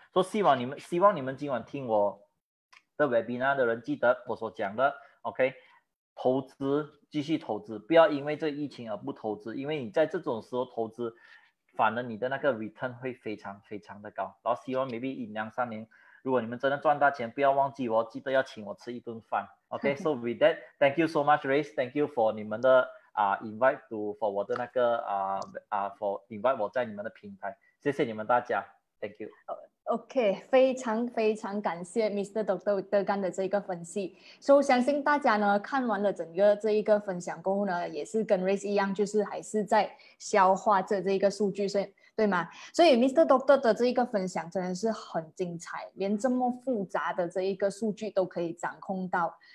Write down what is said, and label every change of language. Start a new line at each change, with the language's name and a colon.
Chinese: 所以希望你们今晚听我的 webinar 的人记得我所讲的 OK，投资，继续投资，不要因为这个疫情而不投资，因为你在这种时候投资，反而你的那个 return 会非常非常的高。然后希望 maybe 一两三年，如果你们真的赚大钱，不要忘记我，记得要请我吃一顿饭。
English: OK， so with that， thank you so much， Race， thank you for
Chinese: 你们的
English: invite to for
Chinese: 我的那个
English: for invite
Chinese: 我在你们的平台，谢谢你们大家，
English: thank you。
Chinese: OK， 非常非常感谢 Mr. Dr. Degan 的这个分析。所以相信大家呢看完了整个这一个分享过后呢，也是跟 Race 一样，就是还是在消化着这个数据，对吗？所以 Mr. Dr. 的这一个分享真的是很精彩，连这么复杂的这一个数据都可以掌控到。